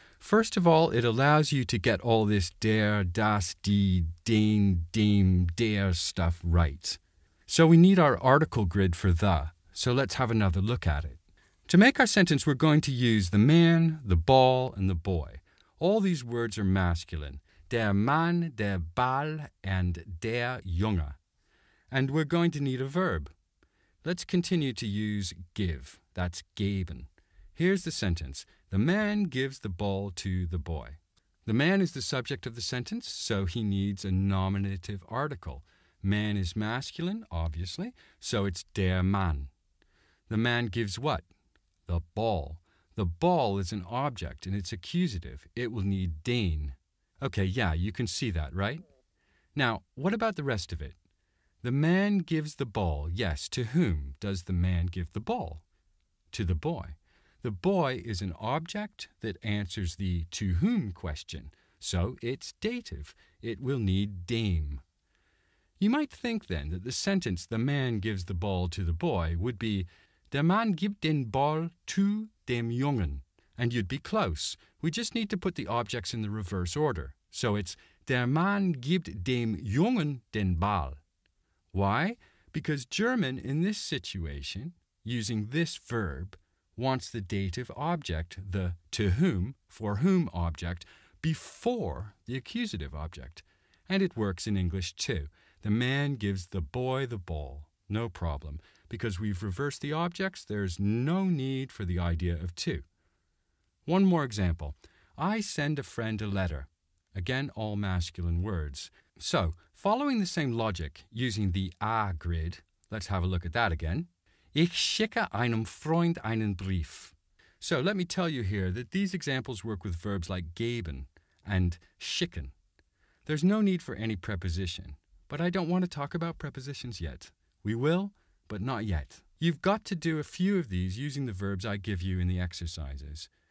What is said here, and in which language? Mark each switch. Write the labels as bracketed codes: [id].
[en] First of all, it allows you to get all this [de] der, das, die, den, dem, der [en] stuff right. So we need our article grid for the, so let's have another look at it. To make our sentence, we're going to use the man, the ball, and the boy. All these words are masculine. [de] Der Mann, der Ball, and der Junge. [en] And we're going to need a verb. Let's continue to use give. That's geben. Here's the sentence. The man gives the ball to the boy. The man is the subject of the sentence, so he needs a nominative article. Man is masculine, obviously, so it's der Mann. The man gives what? The ball. The ball is an object, and it's accusative. It will need den. Okay, yeah, you can see that, right? Now, what about the rest of it? The man gives the ball. Yes, to whom does the man give the ball? To the boy. The boy is an object that answers the to whom question, so it's dative. It will need dem. You might think, then, that the sentence, the man gives the ball to the boy, would be [de] Der Mann gibt den Ball zu dem Jungen. [en] And you'd be close. We just need to put the objects in the reverse order. So it's [de] Der Mann gibt dem Jungen den Ball. [en] Why? Because German, in this situation, using this verb, wants the dative object, the to whom, for whom object, before the accusative object. And it works in English too. The man gives the boy the ball. No problem. Because we've reversed the objects, there's no need for the idea of to. One more example. I send a friend a letter. Again, all masculine words. So, following the same logic, using the A grid, let's have a look at that again. [de] Ich schicke einem Freund einen Brief. [en] So, let me tell you here that these examples work with verbs like geben and schicken. There's no need for any preposition, but I don't want to talk about prepositions yet. We will, but not yet. You've got to do a few of these using the verbs I give you in the exercises.